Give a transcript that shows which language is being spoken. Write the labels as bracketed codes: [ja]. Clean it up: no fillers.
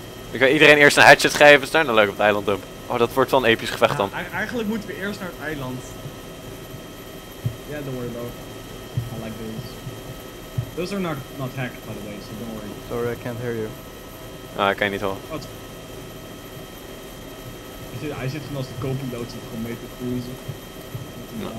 [nl] Ik ga iedereen eerst een hatchet geven, is daar dan leuk op het eiland doen. Oh, dat wordt wel een episch gevecht dan. Eigenlijk moeten we eerst naar het eiland. [en] Ja, yeah, don't worry though. I like those. Those are not hacked, by the way, so don't worry. Sorry, I can't hear you. [nl] Ah, ik kan je niet horen. Hij zit gewoon als de co-piloot gewoon mee te cruisen.